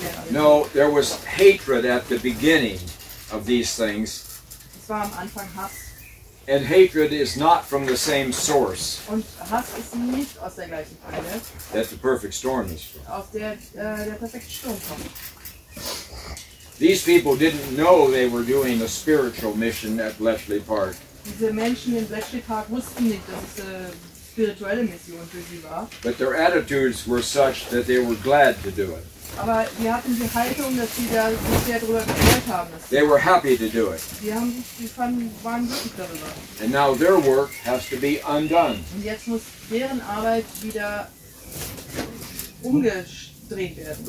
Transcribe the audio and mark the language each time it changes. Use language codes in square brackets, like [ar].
[en] No, there was hatred at the beginning of these things. [de] Es war am Anfang Hass. [en] And hatred is not from the same source. [de] Und Hass ist nicht aus der gleichen Quelle. [en] That's the perfect storm is from. [de] Aus der der perfekte Sturm kommt. [en] These people didn't know they were doing a spiritual mission at Bletchley Park. [de] Diese Menschen in Bletchley Park wussten nicht, dass es eine spirituelle Mission für sie war. [en] But their attitudes were such that they were glad to do it. [de] Aber die hatten die Haltung, dass sie da sehr drüber gefreut haben. [en] They were happy to do it. [de] Die waren glücklich darüber. [en] And now their work has to be undone. [de] Und jetzt muss deren Arbeit wieder umgedreht werden.